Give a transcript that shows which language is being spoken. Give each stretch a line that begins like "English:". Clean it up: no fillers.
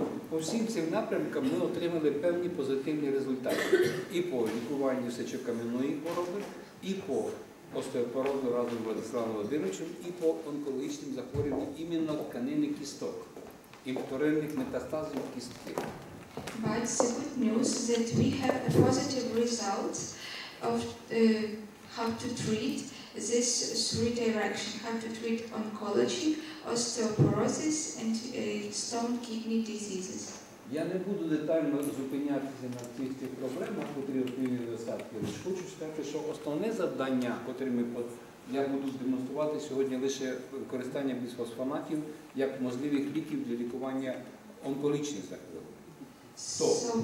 Ukrainian: По всім цим напрямкам ми отримали певні позитивні результати і по лікуванню сечокам'яної хвороби, і по остеопорозу разом з Владиславом Володимировичем, і по онкологічним захворюванням іменно тканини кісток і вторинних метастазів кістки.
English: But the good news is that we have a positive result of how to treat this three directions, how to treat oncology, osteoporosis and stone kidney diseases.
Ukrainian: Я не буду детально зупинятися на цих проблемах, котрі отримали недостатки, лише хочу сказати, що основне завдання, котре я буду демонструвати сьогодні, лише використання бісфосфонатів як можливих ліків для лікування онкологічних захворювань.